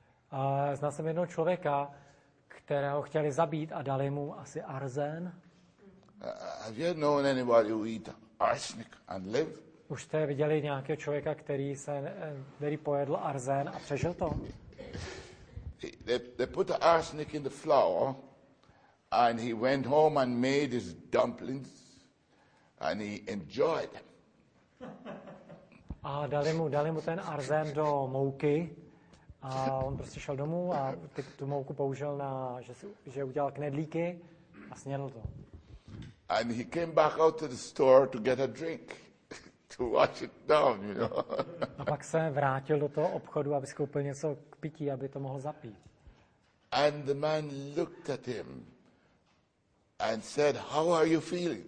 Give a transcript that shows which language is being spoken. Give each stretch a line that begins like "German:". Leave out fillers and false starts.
Czech: A znal jsem jednoho člověka, kterého chtěli zabít a dali mu asi arzen.
English: Have you known anybody who eat arsenic and live?
Czech: Už jste viděli nějakého člověka, který pojedl arzen a přežil to?
English: They put the arsenic in the flour and he went home and made his dumplings. And he enjoyed them.
Czech: A dali mu ten arzen do mouky a on prostě šel domů a tu mouku použil na, že udělal knedlíky a snědl to.
English: And he came back out to the store to get a drink, to wash it down, you know.
Czech: A pak se vrátil do toho obchodu, aby skoupil něco k pití, aby to mohl zapít.
English: And the man looked at him and said, how are you feeling?